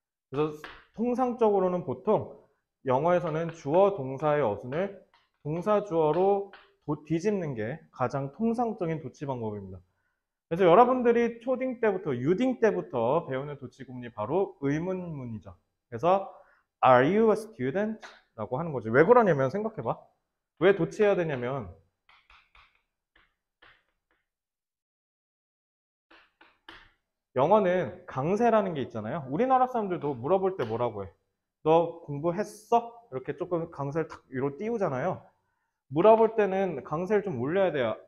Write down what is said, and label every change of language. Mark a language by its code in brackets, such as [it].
[ko] 그래서 통상적으로는 보통 영어에서는 주어 동사의 어순을 동사 주어로 뒤집는 게 가장 통상적인 도치 방법입니다. 그래서 여러분들이 초딩 때부터, 유딩 때부터 배우는 도치구문이 바로 의문문이죠. [en] 그래서 Are you a student? [ko] 라고 하는 거죠. 왜 그러냐면 생각해 봐. 왜 도치해야 되냐면 영어는 강세라는 게 있잖아요. 우리나라 사람들도 물어볼 때 뭐라고 해? 너 공부했어? 이렇게 조금 강세를 탁 위로 띄우잖아요. 물어볼 때는 강세를 좀 올려야 돼요.